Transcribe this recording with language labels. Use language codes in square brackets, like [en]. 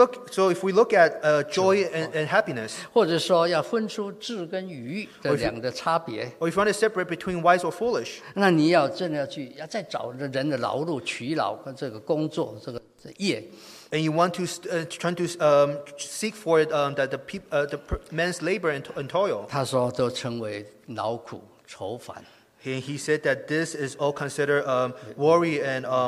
[en] So if we look at joy and happiness, [zh] 或者说要分出智跟愚的两个差别。 [en] Or if you want to separate between wise or foolish, [zh] 那你要真的要再找人的劳碌取劳跟这个工作这个业。 [en] And you want to seek for it that the man's labor and toil. [zh] 他说都称为劳苦愁烦。 [en] He said that this is all considered worry and